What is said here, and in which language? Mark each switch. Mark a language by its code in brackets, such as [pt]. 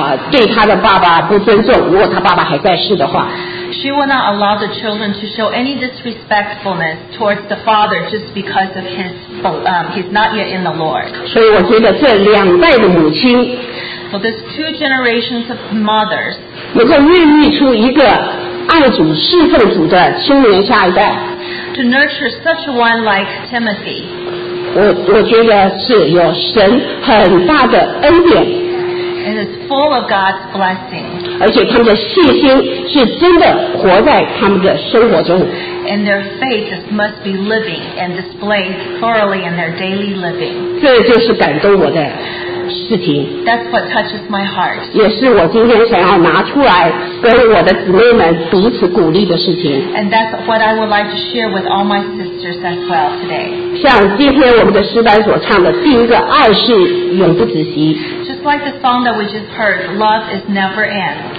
[zh] 对他的爸爸不尊重，如果他爸爸还在世的话。 [en] She will not allow the children to show any disrespectfulness towards the father just because of he's not yet in the Lord. [zh] 所以我觉得这两代的母亲。 [en] So there's two generations of mothers. [zh] 能够孕育出一个爱主侍奉主的青年下一代。 [en] To nurture such one like Timothy. [zh] 我觉得是有神很大的恩典。 [en] And it's full of God's blessing. [zh] 而且他们的信心是真的活在他们的生活中。 [en] And their faith must be living and displayed thoroughly in their daily living. [zh] 这就是感动我的事情。 [en] That's what touches my heart. [zh] 也是我今天想要拿出来跟我的姊妹们彼此鼓励的事情。 [en] And that's what I would like to share with all my sisters as well today. [zh] 像今天我们的诗班所唱的第一个爱是永不止息。 [en] Just like the song that we just heard, love is never end.